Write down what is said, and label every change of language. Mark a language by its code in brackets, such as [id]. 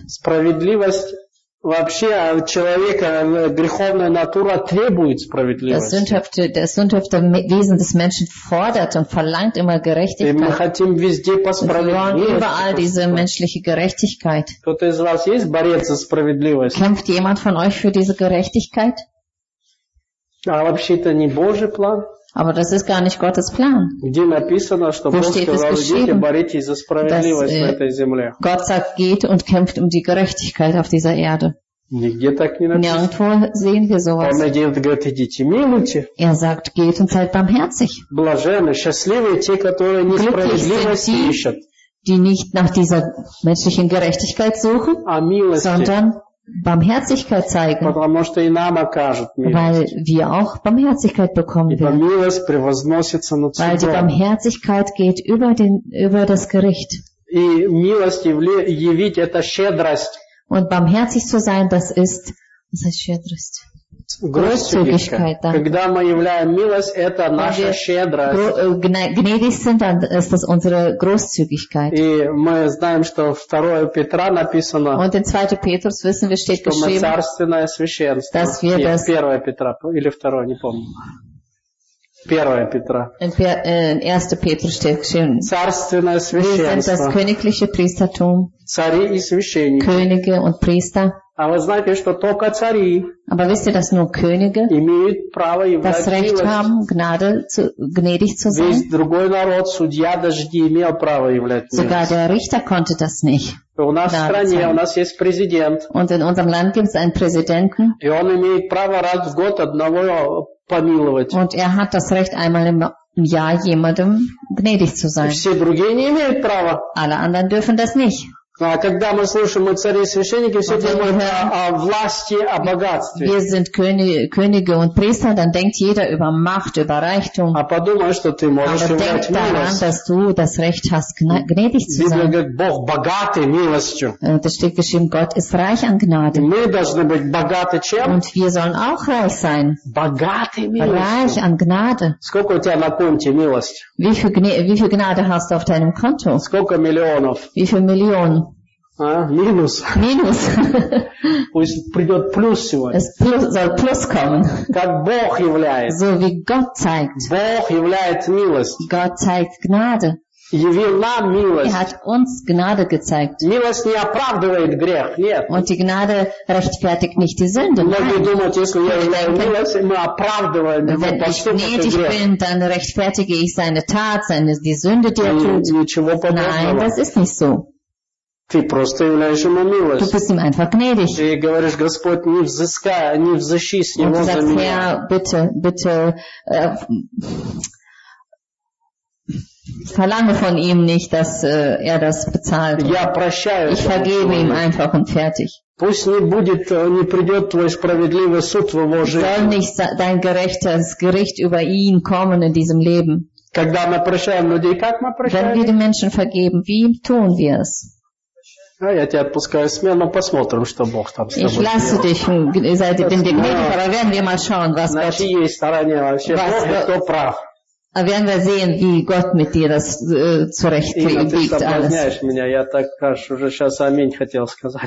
[ru] Справедливость Вообще человека греховная натура требует справедливости. [de] Das sündhafte Wesen des Menschen fordert und verlangt immer Gerechtigkeit. Wir [ru] хотим везде по справедливости. [de] Überall diese menschliche Gerechtigkeit. [ru] Кто-то из вас есть борец за справедливость? [de] Kämpft jemand von euch für diese Gerechtigkeit? [ru] А вообще-то не Божий план. [de] Aber das ist gar nicht Gottes Plan. [ru] Где написано, что Бог сказал, идите, боритесь за справедливость на этой земле. [de] Gott sagt, geht und kämpft um die Gerechtigkeit auf dieser Erde. [ru] Нигде так не написано. [de] Nirgendwo sehen wir sowas. [ru] Он идет, говорит, идите, милуйте. [de] Er sagt, geht und seid barmherzig. [ru] Блаженны, счастливые те, которые несправедливость ищут. [de] Die nicht nach dieser menschlichen Gerechtigkeit suchen, sondern Barmherzigkeit zeigen, weil wir auch Barmherzigkeit bekommen werden. Weil die Barmherzigkeit geht über das Gericht. Und barmherzig zu sein, das ist, was heißt Schädrest? Großzügigkeit. [ru] Когда мы являем милость, это наша щедрость. [de] Gnädig sind, dann ist das unsere Großzügigkeit. [ru] И мы знаем, что в 2 Петра написано. [de] Und in 2. Petrus wissen wir, steht geschrieben. [ru] Что мы царственное священство. [de] Dass wir das. [ru] 1 Петра или 2, не помню. 1 Петра. [de] In 1. Petrus steht geschrieben. [ru] Царственное священство. [de] Wir sind das königliche Priestertum. [ru] Цари и священники. [de] Könige und Priester. [ru] А вы знаете, что только цари [de] Aber wisst ihr, dass nur Könige [ru] имеют право являть [de] das Recht [ru] милость. [de] Haben, Gnade zu, gnädig zu sein? [ru] Весь другой народ, судья, даже не имел права являть милость. [de] Sogar der Richter konnte das nicht. [ru] У нас в стране, у нас есть президент. [de] Und in unserem Land gibt's einen Präsidenten. [ru] И он имеет право раз в год одного помиловать. [de] Und er hat das Recht, einmal im Jahr jemandem gnädig zu sein. [ru] Все другие не имеют права. [de] Alle anderen dürfen das nicht. [ru] А когда мы слушаем о царе и священнике, все думают о власти, о богатстве. [de] Wir sind Könige und Priester, dann denkt jeder über Macht, über Reichtum. [ru] А подумай, что ты можешь [de] Aber [ru] являть [de] denk [ru] милость. [de] Daran, dass du das Recht hast, gnädig zu [ru] Библия говорит, Бог богатый милостью. [de] Da steht geschrieben, Gott ist reich an Gnade. [ru] Мы должны быть богаты чем? [de] Und wir sollen auch reich sein. [ru] Богатый милостью. [de] Reich an Gnade. [ru] Сколько у тебя на конте милость? [de] Wie viel Gnade hast du auf deinem Konto? [ru] Сколько миллионов? [de] Wie viel Millionen? [ru] А, минус. Минус. Пусть придет плюс сегодня. [de] Es plus, soll plus kommen. [ru] Как Бог являет. [de] So wie Gott zeigt. [ru] Бог являет милость. [de] Gott zeigt Gnade. [ru] Явил нам милость. [de] Er hat uns Gnade gezeigt. [ru] Милость не оправдывает грех, нет. [de] Und die Gnade rechtfertigt nicht die Sünde. [ru] Многие думают, если я являю милость, мы оправдываем его поступки грех. [de] Wenn ich gnädig bin, dann rechtfertige ich seine Tat, die Sünde, die er tut. [ru] Ничего подобного. [de] Nein, das ist nicht so. [ru] Ты просто являешь ему милость. [de] Du bist ihm einfach gnädig. [ru] Ты говоришь, Господь, не взыскай, не взыщи с него за меня. [de] Und sagst, Herr, bitte, verlange von ihm nicht, dass er das bezahlt. [ru] Я прощаю. [de] Ich vergebe ihm einfach und fertig. [ru] Пусть не будет, не придет твой справедливый суд в его жизни. [de] Soll nicht dein gerechtes Gericht über ihn kommen in diesem Leben. [ru] Когда мы прощаем людей, как мы прощаем? [de] Wenn wir den Menschen vergeben, wie tun wir es? [ru] А я тебя отпускаю с миром, посмотрим, что Бог там с тобой [de] Ich lasse dich, seid ihr bindig, aber werden wir mal schauen, was Gott... [ru] На чьей стороне вообще Бог и кто прав. [de] А werden wir sehen, wie Gott mit dir das zurechtbiegt alles. [ru] Ина, ты соблазняешь меня, я так, кажется, уже сейчас аминь хотел сказать.